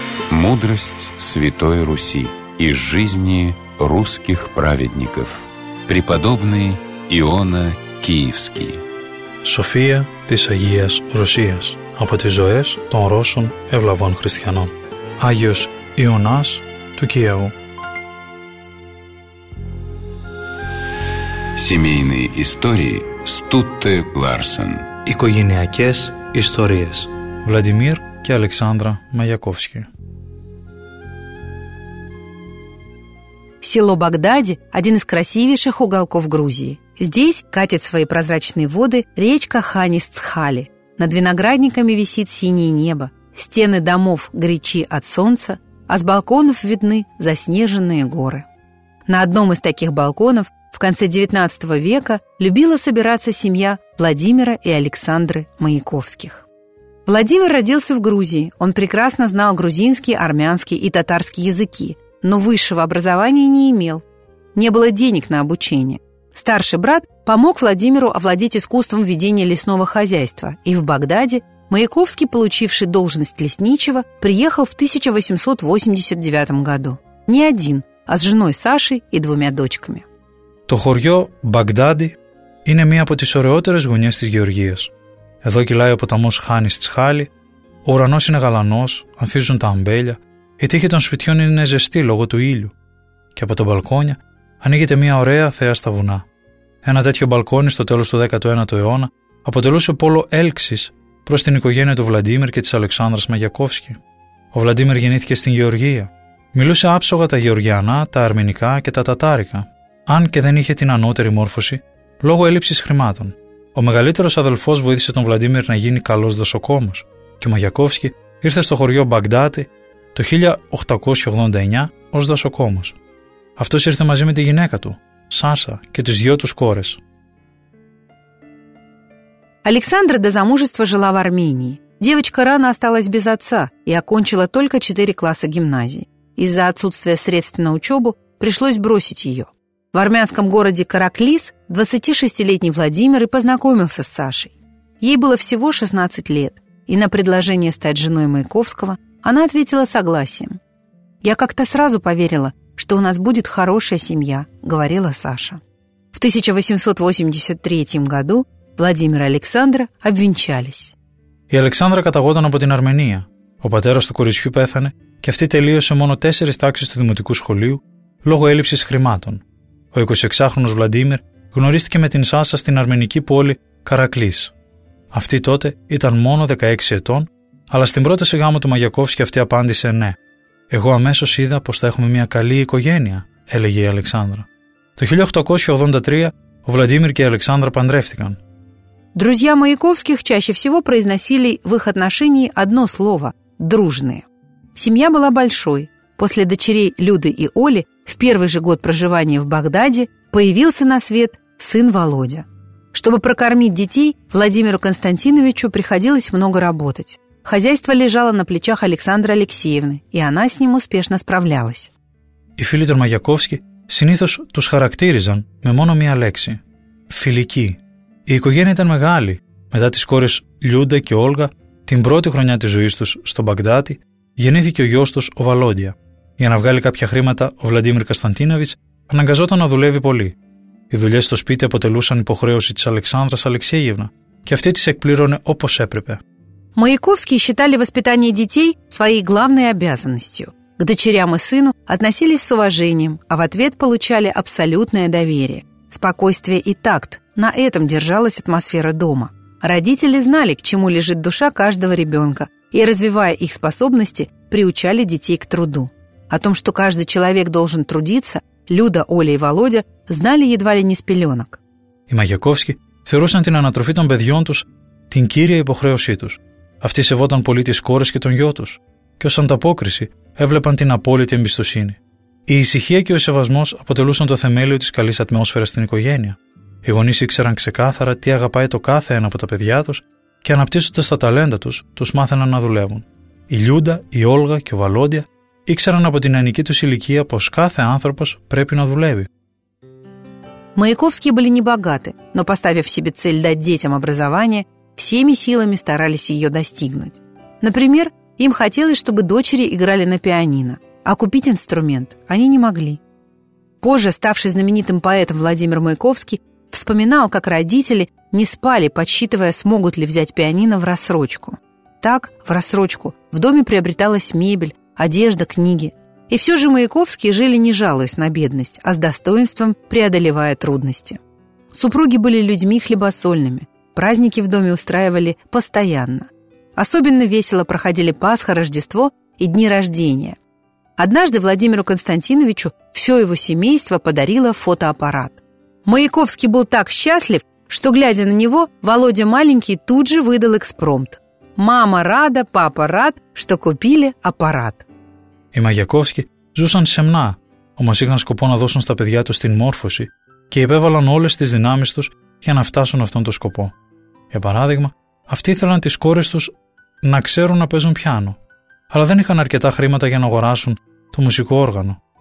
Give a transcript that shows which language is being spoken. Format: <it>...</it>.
<ru>Мудрость Святой Руси из жизни русских праведников. Преподобный Иона Киевский.</ru> <el>Σοφία της Αγίας Ρωσίας από τις ζωές των Ρώσων ευλαβών χριστιανών. Άγιος Ιωνάς του Κιέου.</el> <ru>Семейные истории Стутте Ларсен.</ru> <el>Οικογενειακές ιστορίες Βλαντιμίρ και Αλεξάνδρα Μαγιακόφσκι.</el> <ru>Село Багдади – один из красивейших уголков Грузии. Здесь катит свои прозрачные воды речка Ханис-Цхали. Над виноградниками висит синее небо. Стены домов горячи от солнца, а с балконов видны заснеженные горы. На одном из таких балконов в конце XIX века любила собираться семья Владимира и Александры Маяковских. Владимир родился в Грузии. Он прекрасно знал грузинский, армянский и татарский языки, но высшего образования не имел. Не было денег на обучение. Старший брат помог Владимиру овладеть искусством ведения лесного хозяйства, и в Багдаде Маяковский, получивший должность лесничего, приехал в 1889 году. Не один, а с женой Сашей и двумя дочками.</ru> <el>Το χωριό Багдади είναι μία από τις ωραιότερες γωνιές της Γεωργίας. Εδώ κυλάει ο ποταμός Χάνης Τσχάλη, ο ουρανός είναι γαλανός, ανθίζουν τα αμπέλια, η τύχη των σπιτιών είναι ζεστή λόγω του ήλιου και από τα μπαλκόνια ανοίγεται μια ωραία θέα στα βουνά. Ένα τέτοιο μπαλκόνι στο τέλος του 19ου αιώνα αποτελούσε πόλο έλξης προς την οικογένεια του Βλαντίμιρ και της Αλεξάνδρας Μαγιακόφσκι. Ο Βλαντίμιρ γεννήθηκε στην Γεωργία. Μιλούσε άψογα τα γεωργιανά, τα αρμενικά και τα τατάρικα, αν και δεν είχε την ανώτερη μόρφωση λόγω έλλειψης χρημάτων. Ο μεγαλύτερος αδελφός βοήθησε τον Βλαντίμιρ να γίνει καλός δοσοκόμος και ο Μαγιακόφσκι ήρθε στο χωριό Μπαγδάτη το 1889 ως δοσοκόμος. Αυτός ήρθε μαζί με τη γυναίκα του, Σάσα, και τις δυο τους κόρες.</el> <ru>Александра до замужества жила в Армении. Девочка рано осталась без отца и окончила только 4 класса гимназии. Из-за отсутствия средств на учебу пришлось бросить ее. В армянском городе Караклис 26-летний Владимир и познакомился с Сашей. Ей было всего 16 лет, и на предложение стать женой Маяковского она ответила согласием. «Я как-то сразу поверила, что у нас будет хорошая семья», — говорила Саша. В 1883 году Владимир и Александра обвенчались.</ru> <el>Η Αλεξάνδρα καταγόταν από την Αρμενία. Ο πατέρας του κοριτσιού πέθανε και αυτή τελείωσε μόνο 4 τάξεις του δημοτικού σχολείου λόγω έλλειψης χρημάτων. Ο 26χρονος Βλαντίμιρ γνωρίστηκε με την Σάσα στην αρμενική πόλη Καρακλής. Αυτή τότε ήταν μόνο 16 ετών, αλλά στην πρόταση γάμου του Μαγιακόφσκι αυτή απάντησε ναι. «Εγώ αμέσως είδα πως θα έχουμε μια καλή οικογένεια», έλεγε η Αλεξάνδρα. Το 1883 ο Βλαντίμιρ και η Αλεξάνδρα παντρεύτηκαν.</el> <ru>Друзья Маяковских чаще всего произносили в их отношении одно слово – «дружные». Семья была большой. После дочерей Люды и Оли в первый же год проживания в Багдаде появился на свет сын Володя. Чтобы прокормить детей, Владимиру Константиновичу приходилось много работать. Хозяйство лежало на плечах Александры Алексеевны, и она с ним успешно справлялась.</ru> <el>Οι φίλοι των Μαγιακόφσκι συνήθως τους χαρακτήριζαν με μόνο μία λέξη – «φιλική». Η οικογένεια ήταν μεγάλη. Μετά τις κόρες Λιούντα και Όλγα, την πρώτη χρονιά της ζωής τους στο Μπαγδάτη, γεννήθηκε ο γιος τους, ο Βαλόντια. Για να βγάλει κάποια χρήματα, ο Βλαντίμιρ Κωνσταντίνοβιτς αναγκαζόταν να δουλεύει πολύ. Οι δουλειές στο σπίτι αποτελούσαν υποχρέωση της Αλεξάνδρας Αλεξέγευνα και αυτή τις εκπλήρωνε όπως έπρεπε.</el> <ru>Маяковские считали воспитание детей своей главной обязанностью. К дочерям и сыну относились с уважением, а в ответ получали абсолютное доверие. Спокойствие и такт – на этом держалась атмосфера дома. Родители знали, к чему лежит душа каждого ребенка, и, развивая их способности, приучали детей к труду. О том, что каждый человек должен трудиться, Люда, Оля и Володя знали едва ли не с пеленок. И Маяковский</ru> <el>θεωρούσαν την ανατροφή των παιδιών τους την κύρια υποχρέωσή τους. Αυτοί σεβόταν πολύ τις κόρες και τον γιο τους και ως ανταπόκριση έβλεπαν την απόλυτη εμπιστοσύνη. Η ησυχία και ο σεβασμός αποτελούσαν το θεμέλιο της καλής ατμόσφαιρας στην οικογένεια. Οι γονείς ήξεραν ξεκάθαρα τι αγαπάει το κάθε ένα από τα παιδιά τους και αναπτύσσοντας τα ταλέντα τους, τους μάθαιναν να δουλεύουν. Η Λιούντα, η Όλγα και ο Βαλόντια ήξεραν από την νεανική τους ηλικία πως κάθε άνθρωπος πρέπει να δουλεύει.</el> <ru>Маяковские были не богаты, но поставив себе цель дать детям образование, всеми силами старались ее достигнуть. Например, им хотелось, чтобы дочери играли на пианино, а купить инструмент они не могли. Позже, ставший знаменитым поэтом Владимир Маяковский, вспоминал, как родители не спали, подсчитывая, смогут ли взять пианино в рассрочку. Так, в рассрочку, в доме приобреталась мебель, одежда, книги. И все же Маяковские жили не жалуясь на бедность, а с достоинством преодолевая трудности. Супруги были людьми хлебосольными, праздники в доме устраивали постоянно. Особенно весело проходили Пасха, Рождество и дни рождения. Однажды Владимиру Константиновичу все его семейство подарило фотоаппарат. Маяковский был так счастлив, что, глядя на него, Володя маленький тут же выдал экспромт. «Мама рада, папа рад, что купили аппарат».</ru> <el>Οι Μαγιακόφσκοι ζούσαν σεμνά, όμως είχαν σκοπό να δώσουν στα παιδιά τους την μόρφωση και υπέβαλαν όλες τις δυνάμεις τους για να φτάσουν αυτόν τον σκοπό. Για παράδειγμα, αυτοί ήθελαν τις κόρες τους να ξέρουν να παίζουν πιάνο, αλλά δεν είχαν αρκετά χρήματα για να αγοράσουν το μουσικό όργανο.</el>